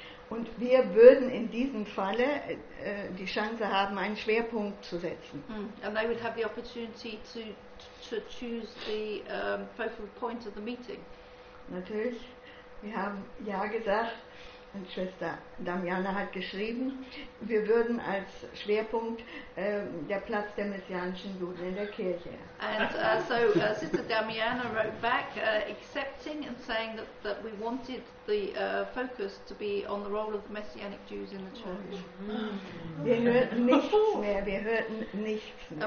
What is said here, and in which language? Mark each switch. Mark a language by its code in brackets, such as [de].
[de] Und wir würden in diesem Falle die Chance haben, einen Schwerpunkt zu setzen. [en] And they would have the opportunity to choose the focal point of the meeting. [de] Natürlich, wir haben ja gesagt. Und Schwester Damiana hat geschrieben, wir würden als Schwerpunkt der Platz der messianischen Juden in der Kirche. [en] And Sister Damiana wrote back accepting and saying that we wanted the focus to be on the role of the messianic Jews in the church. [de] Wir hörten nichts mehr, wir hörten nichts mehr.